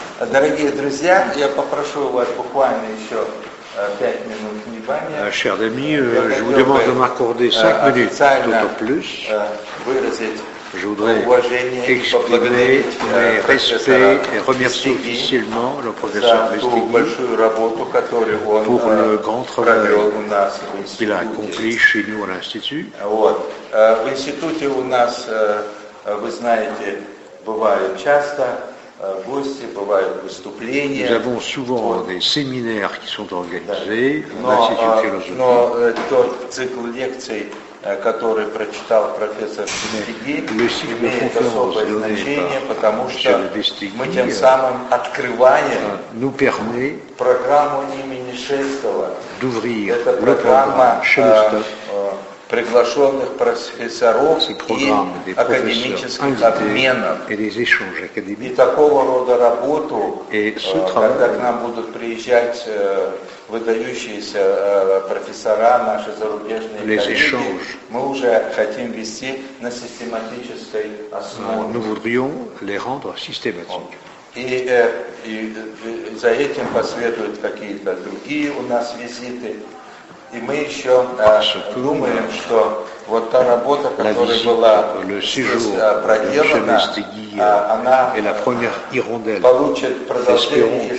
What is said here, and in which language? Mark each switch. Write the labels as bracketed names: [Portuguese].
[Russian] Дорогие друзья, я попрошу вас буквально еще 5 минут внимания. [French] Chers amis, je vous demande de m'accorder 5 minutes, tout au plus. Je voudrais exprimer mes respects et remercier officiellement le professeur Bestigny pour le grand travail qu'il a accompli chez nous à l'Institut. [Russian] В институте у нас, вы знаете, бывают часто. гости, бывают выступления. [French] Nous avons souvent des séminaires qui sont organisés. [Russian] Но тот цикл лекций, который прочитал профессор Бестигей, имеет особое значение, потому что мы тем самым открываем программу имени Шестова. Это программа приглашенных профессоров и академических обменов. И такого рода работу, когда к нам будут приезжать выдающиеся профессора, наши зарубежные коллеги, мы уже хотим вести на систематической основе. [French] Nous voudrions les rendre systématiques. [Russian] И за этим последуют какие-то другие у нас визиты. И мы еще думаем, что вот та работа, которая была проделана, она получит продолжение и